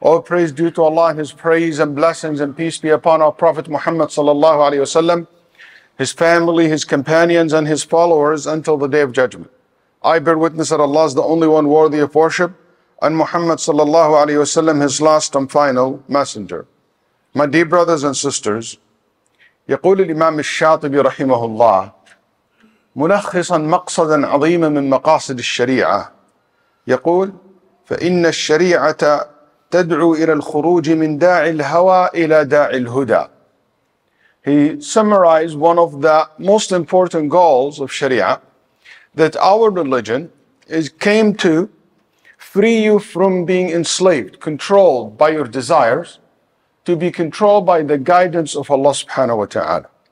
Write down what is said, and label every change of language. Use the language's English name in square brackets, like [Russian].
[English] All praise due to Allah, His praise and blessings and peace be upon our Prophet Muhammad sallallahu alayhi wa sallam, his family, his companions and his followers until the Day of Judgment. I bear witness that Allah is the only one worthy of worship and Muhammad sallallahu alayhi wa sallam, his last and final messenger. My dear brothers and sisters, [Arabic] يقول الإمام الشاطبي رحمه الله مُلَخِّصًا مَقْصَدًا عَظِيمًا مِنْ مَقَاصِدِ الشَّرِيعَةِ يقول فإن الشريعة تدعو إلى الخروج من داعي الهوى إلى داعي الهدى. [English] He summarized one of the most important goals of Sharia, that our religion is came to free you from being enslaved, controlled by your desires, to be controlled by the guidance of Allah subhanahu wa ta'ala.